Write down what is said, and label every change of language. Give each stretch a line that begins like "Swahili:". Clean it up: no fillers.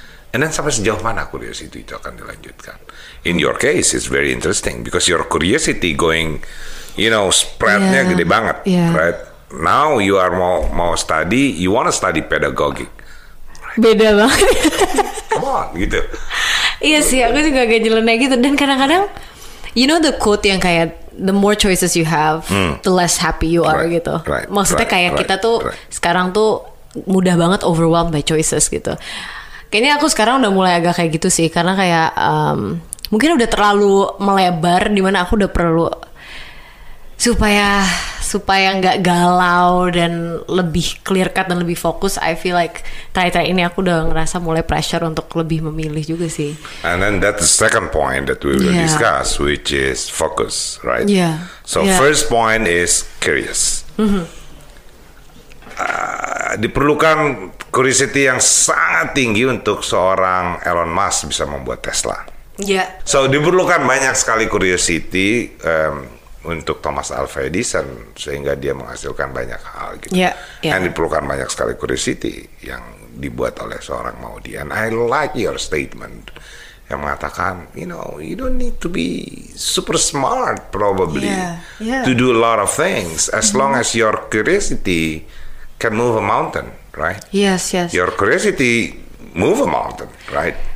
English: And then
Indonesian: sampai sejauh mana curiosity itu akan dilanjutkan?
English: In your case, it's very interesting because your curiosity going, you know,
Indonesian: spreadnya gede banget,
English: right? Now you are mau study, you want to study pedagogic.
Indonesian: Beda banget.
English: Come on, gitu.
Indonesian: Iya sih, aku juga agak nyeleneh gitu. Dan kadang-kadang,
English: you know the quote
Indonesian: yang kayak,
English: the more choices you have, the less happy you are, gitu. Right,
Indonesian: maksudnya kayak kita tuh, sekarang tuh mudah banget
English: overwhelmed by choices,
Indonesian: gitu. Kayaknya aku sekarang udah mulai agak kayak gitu sih, karena kayak, mungkin udah terlalu melebar, dimana aku udah perlu supaya nggak galau dan lebih clear cut dan lebih fokus.
English: I feel like
Indonesian: terakhir ini aku udah ngerasa mulai pressure untuk lebih memilih juga sih.
English: And then that's the second point that we will discuss, which is focus, right? Yeah. So first point is curious.
Indonesian: Diperlukan curiosity yang sangat tinggi untuk seorang Elon Musk bisa membuat Tesla.
English: Yeah.
Indonesian: So diperlukan banyak sekali curiosity untuk Thomas Alva Edison sehingga dia menghasilkan banyak hal gitu. Dan diperlukan banyak sekali curiosity yang dibuat oleh seorang Maudi.
English: And I like your statement
Indonesian: yang mengatakan,
English: you know, you don't need to be super smart probably to do a lot of things as long as your curiosity can move a mountain, right? Yes. Your curiosity move a mountain, right?